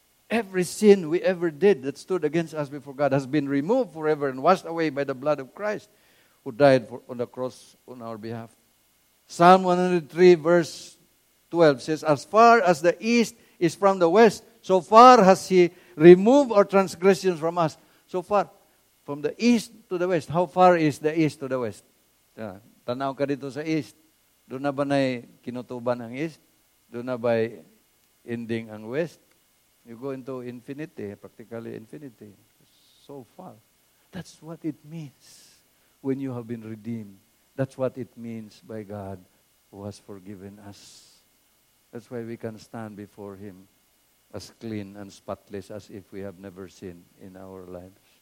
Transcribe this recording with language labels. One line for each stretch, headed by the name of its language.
English: Every sin we ever did that stood against us before God has been removed forever and washed away by the blood of Christ who died on the cross on our behalf. Psalm 103 verse 12 says, as far as the east is from the west, so far has He removed our transgressions from us. So far, from the east to the west. How far is the east to the west?
Filipino: Tanaw ka dito sa east. Doon na ba na kinutuban ang east? Doon na ba ending ang west?
English: You go into infinity, practically infinity. So far. That's what it means when you have been redeemed. That's what it means by God who has forgiven us. That's why we can stand before Him as clean and spotless as if we have never sinned in our lives.